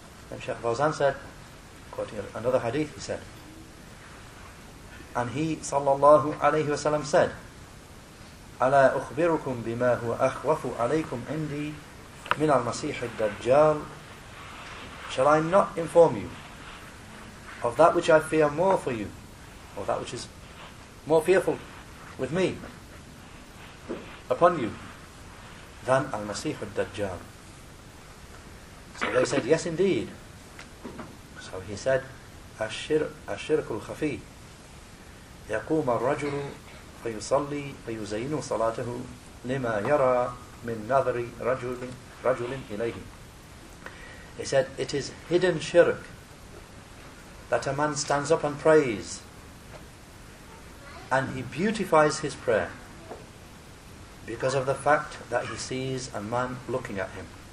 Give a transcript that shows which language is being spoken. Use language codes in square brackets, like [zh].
[en] Then Shaykh al-Fawzan said, quoting another hadith, he said, and he, sallallahu alayhi wa sallam, said, [ar] أَلَا أُخْبِرُكُمْ بِمَا هُوَ أَخْوَفُ عَلَيْكُمْ عِنْدِي مِنَ الْمَسِيحِ الدَّجَّالِ. [en] Shall I not inform you of that which I fear more for you, or that which is more fearful with me upon you than al-Masih al-Dajjal? So they said, yes indeed. So So he said, [ar] الشرك الخفي يقوم الرجل فيصلي فيزين صلاته لما يرى من نظر رجل إليه. [en] He said, it is hidden shirk that a man stands up and prays, and he beautifies his prayer because of the fact that he sees a man looking at him.